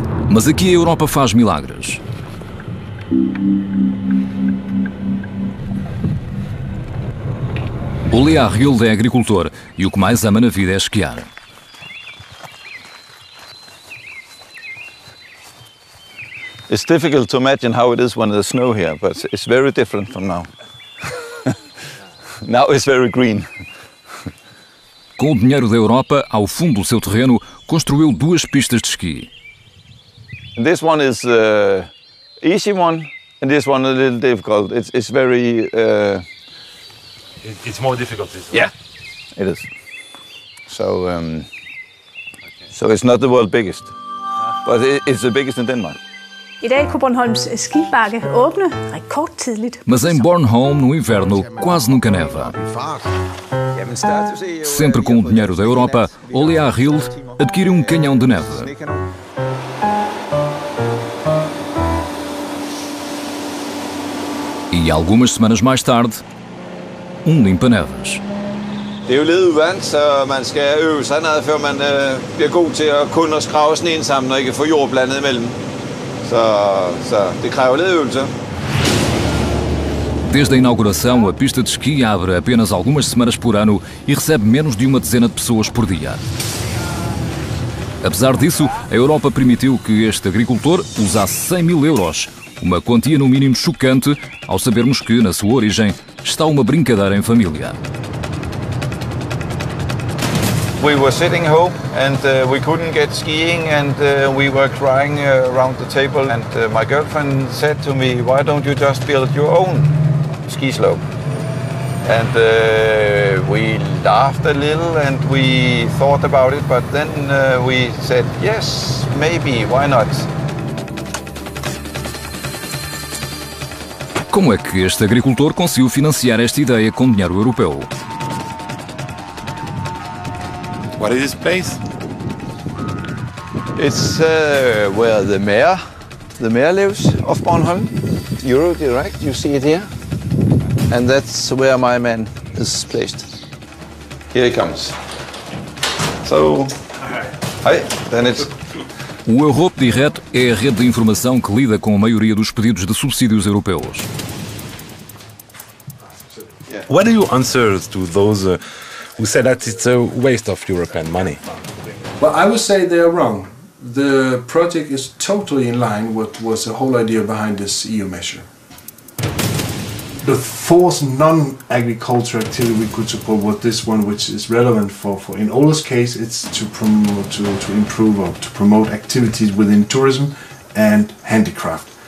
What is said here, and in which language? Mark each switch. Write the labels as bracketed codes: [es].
[pt] Mas aqui a Europa faz milagres. O Léar Hilde é agricultor e o que mais ama na vida é esquiar. [en] It's difficult to imagine how it is when there's snow here, but it's very different from now. Now it's very green. [pt] Com o dinheiro da Europa, ao fundo do seu terreno, construiu duas pistas de esqui. [en] This one is easy one, and this one a little difficult. It's very it's more difficult this one. Yeah, it is. So so it's not the world's biggest, but it's the biggest in Denmark. [da] I dag kunne Bornholms skibakke åbne rekordtidligt. [pt] Mas em Bornholm, no inverno, quase nunca neva. Sempre com o dinheiro da Europa, Léar Hilde adquire um canhão de neve. E algumas semanas mais tarde, um limpa-neves. [da] Det er jo lidt uvant, så man skal øve sig noget, før man bliver god til at kun at skrave sneen sammen og ikke få jord blandet imellem. Så det kræver lidt øvelse. [pt] Desde a inauguração, a pista de esqui abre apenas algumas semanas por ano e recebe menos de uma dezena de pessoas por dia. Apesar disso, a Europa permitiu que este agricultor usasse 100 mil euros, uma quantia no mínimo chocante, ao sabermos que, na sua origem, está uma brincadeira em família. [en] We were sitting home and we couldn't get skiing and we were crying around the table and my girlfriend said to me, why don't you just build your own ski slope? And we laughed a little and we thought about it, but then we said, yes, maybe, why not? [pt] Como é que este agricultor conseguiu financiar esta ideia com dinheiro europeu? [en] What is this place? It's where the mayor lives of Bornholm. Eurodirect, you see it here. And that's where my man is placed. Here he comes. So, hi, then it's... [pt] O Eurodirect é a rede de informação que lida com a maioria dos pedidos de subsídios europeus. [en] What do you answer to those who say that it's a waste of European money? Well, I would say they are wrong. The project is totally in line with what was the whole idea behind this EU measure. The fourth non-agricultural activity we could support was this one, which is relevant for in Ola's case, it's to promote activities within tourism and handicraft.